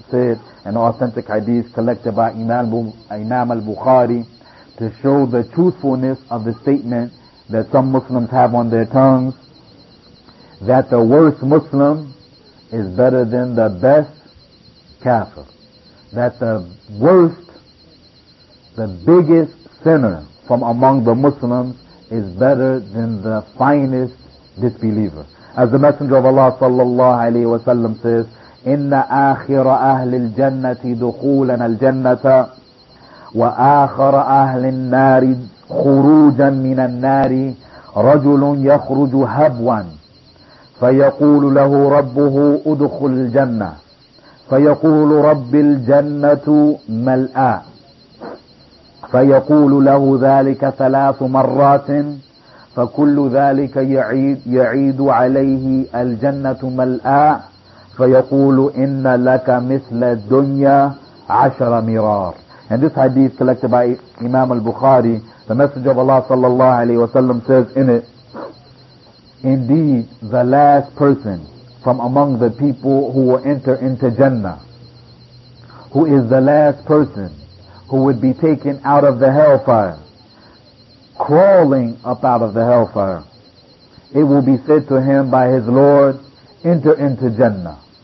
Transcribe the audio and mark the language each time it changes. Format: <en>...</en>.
<en>said, an authentic hadith collected by Imam al-Bukhari, to show the truthfulness of the statement that some Muslims have on their tongues, that the worst Muslim is better than the best kafir. That the worst, the biggest sinner from among the Muslims is better than the finest disbeliever. As the Messenger of Allah sallallahu alayhi wa sallam says,</en> <ar>إِنَّ آخِرَ أَهْلِ الْجَنَّةِ دُخُولًا الْجَنَّةَ وَآخَرَ أَهْلِ النَّارِ خُرُوجًا مِنَ النَّارِ رَجُلٌ يَخْرُجُ هَبْوًا فَيَقُولُ لَهُ رَبُّهُ أُدْخُلِ الْجَنَّةِ فَيَقُولُ رَبِّ الْجَنَّةُ مَلْآ فَيَقُولُ لَهُ ذَلِكَ ثَلَاثُ مَرَّاتٍ فَكُلُّ ذَلِكَ يَعِيدُ عَلَيْهِ الْجَنَّةُ مَلْآ فيقول إن لك مثل الدنيا عشر مرار.</ar> <en>And this hadith collected by Imam al-Bukhari, the Messenger of Allah sallallahu alayhi wa sallam says in it, indeed the last person from among the people who will enter into Jannah, who is the last person who would be taken out of the hellfire, crawling up out of the hellfire, it will be said to him by his Lord, enter into Jannah.</en>